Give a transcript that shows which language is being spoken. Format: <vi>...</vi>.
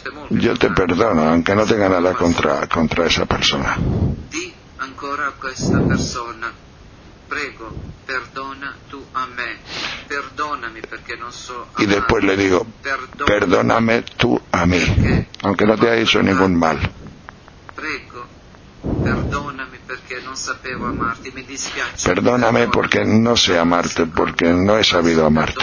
<es>Yo te perdono, aunque no tenga nada contra esa persona.</es> <it>Ancora questa persona, prego, perdona tu a me, perdonami perché non so amare.</it> <es>Y después le digo: perdóname tú a mí, aunque no te haya hecho ningún mal.</es> <it>Prego, perdonami perché non sapevo amarti, mi dispiace.</it> <es>Perdóname porque no sé amarte, porque no he sabido amarte.</es>